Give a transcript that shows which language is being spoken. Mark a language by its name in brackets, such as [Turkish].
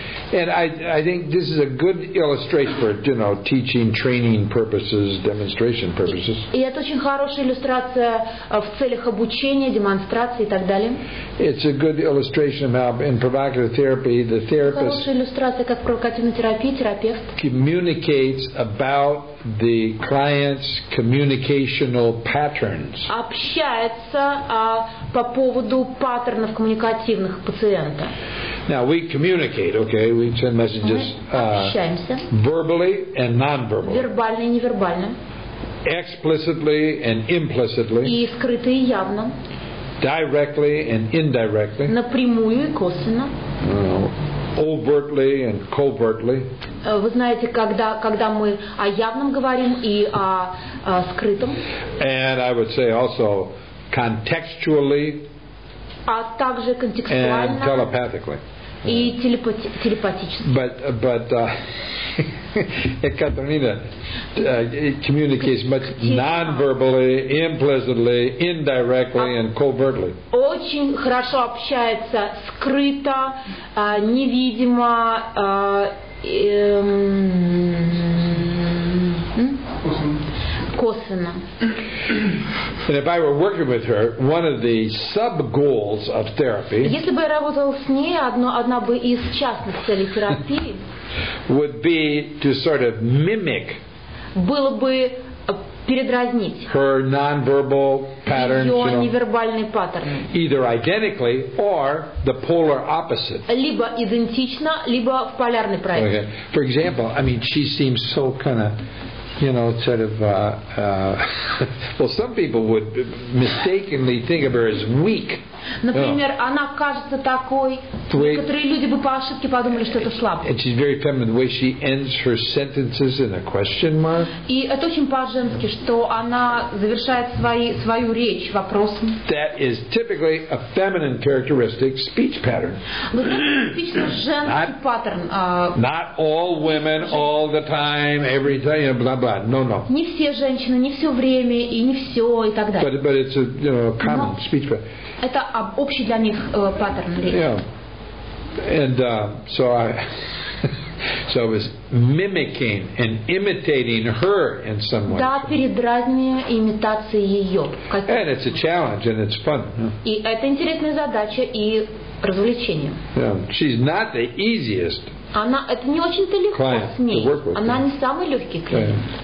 [English] And I think this is a good illustration for, you know, teaching, training purposes, demonstration purposes. [Russian] И это очень хорошая иллюстрация в целях обучения, демонстрации и так далее. [English] It's a good illustration of how in provocative therapy the therapist. [Russian] Хорошая иллюстрация, как в провокативной терапии терапевт. [English] Communicates about the client's communicational patterns. [Russian] Общается по поводу паттернов коммуникативных пациента. [English] Now we communicate, okay? We send messages verbally and non-verbally. [Russian] Вербально и невербально. [English] Explicitly and implicitly. [Russian] И скрыто и явно. [English] Directly and indirectly. [Russian] Напрямую и косвенно. [English] Overtly and covertly. [Russian] Вы знаете, когда мы о явном говорим и о скрытом. [English] And I would say also contextually. [Russian] А также контекстуально. [English] And telepathically. [Russian] И телепатически. [English] But Катерина communicates much non-verbally, implicitly, indirectly, and covertly. [Russian] Очень хорошо общается скрыто, невидимо. [English] And if I were working with her, one of the sub-goals of therapy. [Russian] Если бы я работал с ней, одна бы из частных целей терапии. [English] Would be to sort of mimic. [Russian] Было бы передразнить. [English] Her non-verbal patterns. [Russian] Ее невербальные паттерны. [English] Either identically or the polar opposite. [Russian] Либо идентично, либо в полярной проекции. [English] Okay. For example, I mean, she seems so kind of. You know, sort of. Well, some people would mistakenly think of her as weak. [Russian] Например, она кажется такой. Некоторые люди бы по ошибке подумали, что это слабо. [English] And she's very feminine. The way she ends her sentences in a question mark. [Russian] И это очень по-женски, что она завершает свою речь вопросом. [English] That is typically a feminine characteristic speech pattern. [Russian] Типично женский паттерн. [English] Not all women all the time, every time, you know, blah blah. No. [Russian] Не все женщины, не все время и не все и так далее. [English] But it's a, you know, common speech pattern. [Russian] Это общий для них паттерн речи. [English] And so I was mimicking and imitating her in some way. [Russian] Да, передразнивание, имитация ее. [English] And it's a challenge and it's fun. [Russian] И это интересная задача и развлечение. [English] Yeah, she's not the easiest. [Russian] Она это не очень-то легко с ней. Она не самый легкий клиент.